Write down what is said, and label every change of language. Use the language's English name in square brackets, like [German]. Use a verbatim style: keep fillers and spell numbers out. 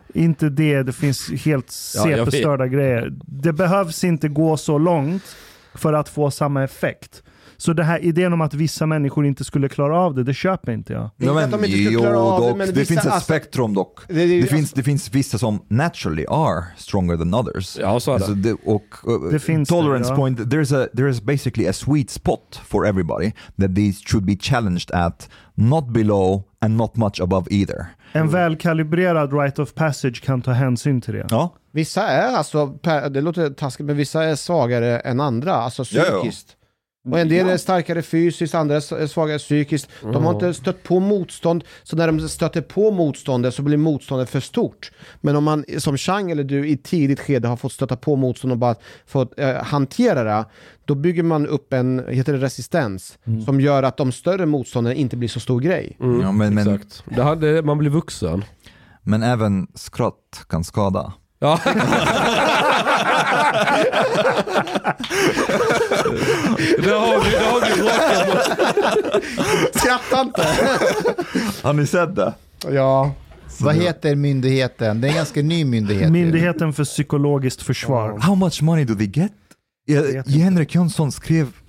[Swedish] Inte det, det finns helt sepestörda ja, grejer. Det behövs inte gå så långt för att få samma effekt. Så det här idén om att vissa människor inte skulle klara av det, det köper inte jag. Ja, men, de inte jo, klara av dock, det, det finns ett spektrum dock. Det, det, det, finns, det finns vissa som [English] naturally are stronger than others. [Swedish] Ja, så är det. Alltså det, och, uh, det finns tolerance det, ja. [English] point, there's a, there's basically a sweet spot for everybody that they should be challenged at, not below and not much above either. [Swedish] En välkalibrerad rite of passage kan ta hänsyn till det. Ja. Vissa är alltså, det låter taskigt, men vissa är svagare än andra, alltså psykiskt. Ja, ja. Och en del är starkare fysiskt, andra är svagare psykiskt. De har inte stött på motstånd, så när de stöter på motståndet så blir motståndet för stort. Men om man som Chang eller du i tidigt skede har fått stöta på motstånd och bara fått eh, hantera det, då bygger man upp en heter det, resistens mm. som gör att de större motstånden inte blir så stor grej. Mm. Ja, men, men, Exakt. Det hade, man blir vuxen. Men även skratt kan skada. Ja. Det har vi, det har vi råkat. Skratta inte. Har ni sett det? Ja. Så vad heter myndigheten? Det är en ganska ny myndighet. Myndigheten för psykologiskt försvar. [English] How much money do they get? Henrik Jönsson [Swedish] skrev